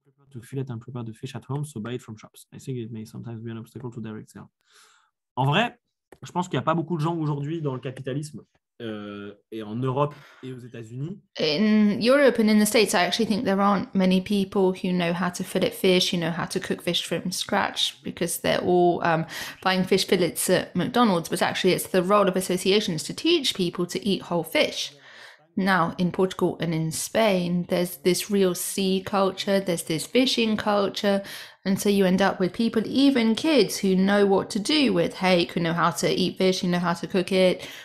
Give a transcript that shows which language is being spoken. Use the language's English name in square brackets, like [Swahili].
[English] To fillet and prepare the fish at home, so buy it from shops. I think it may sometimes be an obstacle to direct sale. [French] En vrai, je pense qu'il y a pas beaucoup de gens aujourd'hui dans le capitalisme et en Europe et aux États-Unis. [English] In Europe and in the States, I actually think there aren't many people who know how to fillet fish, you know, how to cook fish from scratch, because they're all buying fish fillets at McDonald's. But actually, it's the role of associations to teach people to eat whole fish. Now, in Portugal and in Spain, there's this real sea culture, there's this fishing culture, and so you end up with people, even kids, who know what to do with hake, who know how to eat fish, who know how to cook it.